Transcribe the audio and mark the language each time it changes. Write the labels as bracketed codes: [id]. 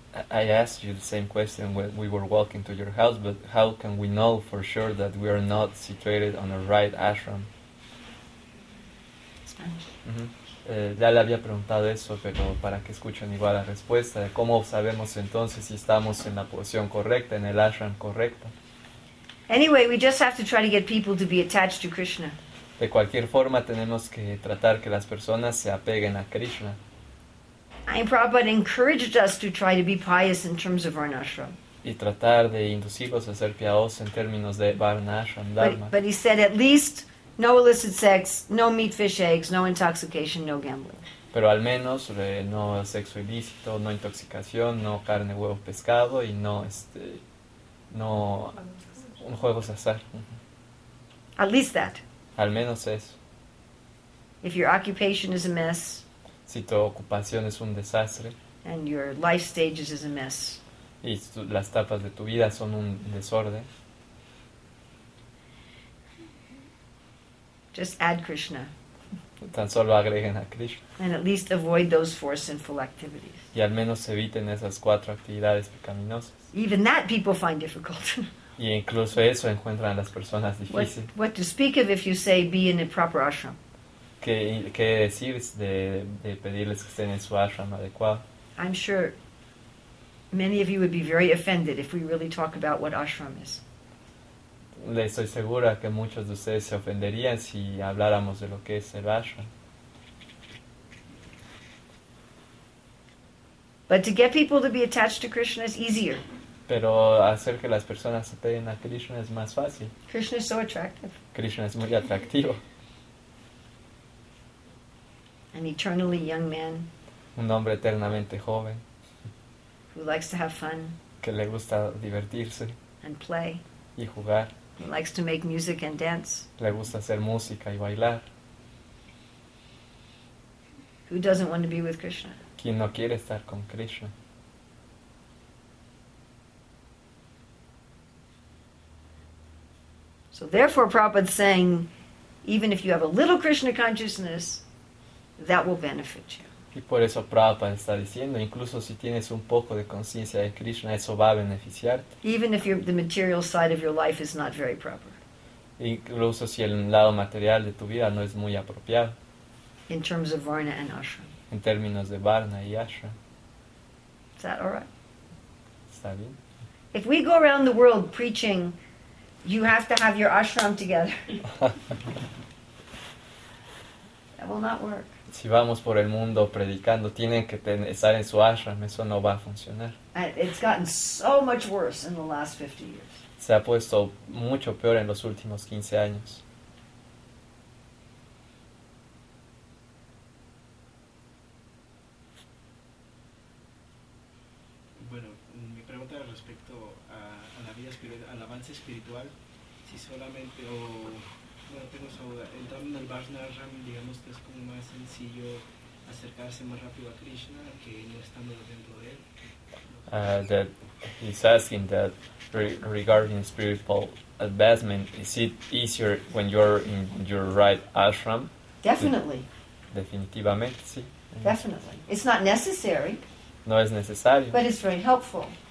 [en] I asked you the same question when we were walking to your house, but how can we know for sure that we are not situated on the right ashram? Spanish. [es] Ya le había preguntado eso, pero para que escuchen igual la respuesta, ¿cómo sabemos entonces si estamos en la posición correcta, en el ashram correcto? [en] Anyway, we just have to try to get people to be attached to Krishna. [es] De cualquier forma, tenemos que tratar que las personas se apeguen a Krishna. [en] And Prabhupada encouraged us to try to be pious in terms of varnashram. [es] Y tratar de inducirlos a ser piadosos en términos de varnashram dharma. [en] But he said at least no illicit sex, no meat fish eggs, no intoxication, no gambling. [es] Pero al menos no sexo ilícito, no intoxicación, no carne, huevo, pescado y no un juego de azar. [en] At least that. [es] Al menos eso. [en] If your occupation is a mess. [es] Si tu ocupación es un desastre, [en] and your life stages is a mess. [es] Y las etapas de tu vida son un desorden. [en] Just add Krishna. [es] tan solo agreguen a Krishna. [en] And at least avoid those four sinful activities. [es] Y al menos eviten esas cuatro actividades pecaminosas. [en] Even that people find difficult. [es] Y incluso eso encuentran las personas difíciles. [en] What to speak of if you say be in a proper ashram? [es] ¿Qué decir de pedirles que estén en su ashram adecuado? [en] I'm sure many of you would be very offended if we really talk about what ashram is. [es] Le estoy segura que muchos de ustedes se ofenderían si habláramos de lo que es el ashram. [en] But to get people to be attached to Krishna is easier. [es] Pero hacer que las personas se peguen a Krishna es más fácil. [en] Krishna is so attractive. [es] Krishna es muy atractivo. [en] An eternally young man. [es] Un hombre eternamente joven. [en] Who likes to have fun. [es] Que le gusta divertirse. [en] And play. [es] Y jugar. [en] He likes to make music and dance. [es] Le gusta hacer música y bailar. [en] Who doesn't want to be with Krishna? [es] ¿Quién no quiere estar con Krishna? [en] So therefore Prabhupada is saying, even if you have a little Krishna consciousness, that will benefit you. [es] Y por eso Prabhupada está diciendo, incluso si tienes un poco de conciencia de Krishna, eso va a beneficiarte. [en] Even if the material side of your life is not very proper. [es] Incluso si el lado material de tu vida no es muy apropiado. [en] In terms of varna and ashram. [es] En términos de varna y ashram. [en] Is that all right? [es] ¿Está bien? [en] If we go around the world preaching, you have to have your ashram together. That will not work. [es] Si vamos por el mundo predicando, tienen que estar en su ashram, eso no va a funcionar. [en] It's gotten so much worse in the last 50 years. [es] Se ha puesto mucho peor en los últimos 15 años. Bueno, mi pregunta respecto a la vida espiritual, al avance espiritual, si solamente o... Bueno, tengo esa duda. Entrando en el Varnashram, digamos que es como más sencillo acercarse más rápido a Krishna que no estando dentro de él. [en] That he's asking that regarding spiritual advancement, is it easier when you're in your right ashram? Definitely. [es] Definitivamente, sí. [en] Definitely. It's not necessary. [es] No es necesario. [en] But it's very helpful.